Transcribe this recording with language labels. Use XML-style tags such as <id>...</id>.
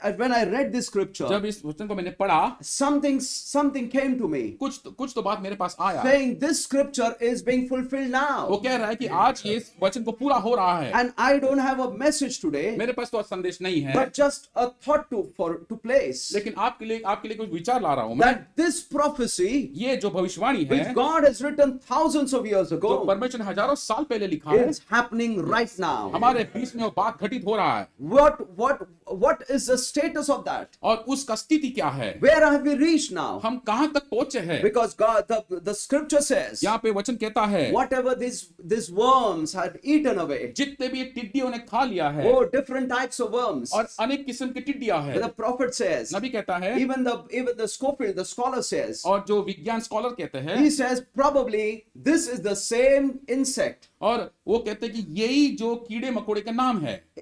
<en>When I read this scripture.</en> <hi>जब इस वचन को मैंने पढ़ा.</hi> <en>Something came to me.</en> <hi>कुछ तो बात मेरे पास आया.</hi> <en>Saying this scripture is being fulfilled now.</en> <hi>वो कह रहा है कि आज ये वचन को पूरा हो रहा है.</hi> <en>And I don't have a message today.</en> <hi>मेरे पास तो संदेश नहीं है.</hi> <en>But just a thought to place.</en> <hi>लेकिन आपके लिए कुछ विचार ला रहा हूँ.</hi> <en>That this prophecy,</en> <hi>ये जो भविष्यवाणी है,</hi> <en>which God has written thousands of years ago,</en> <hi>जो परमेश्वर ने हजारों साल पहले लिखा है,</hi> <en>is happening right now.</en> <hi>हमारे बीच में वो बात घटित हो रहा है.</hi> <en>What is the status of that?</en> <hi>और उसका स्थिति क्या है?</hi> <en>Where have we reached now?</en> <hi>हम कहाँ तक पहुँचे हैं?</hi> <en>Because God, the scripture says,</en> <hi>यहाँ पे वचन कहता है,</hi> <en>whatever these worms had eaten away,</en> <hi>जितने भी टिड्डियों ने खा लिया है,</hi> <en>oh, different types of worms,</en> <hi>और अनेक किस्म की टिड्डियाँ हैं.</hi> <en>The prophet says,</en> <hi>नबी कहता है,</hi> <en>even the Scofield, the scholar says,</en> <hi>और जो विज्ञान स्कॉलर कहते हैं,</hi> <en>he says probably this is the same insect,</en> <hi>और वो कहते हैं कि यही जो कीड़े मकोड़े का नाम है.</hi>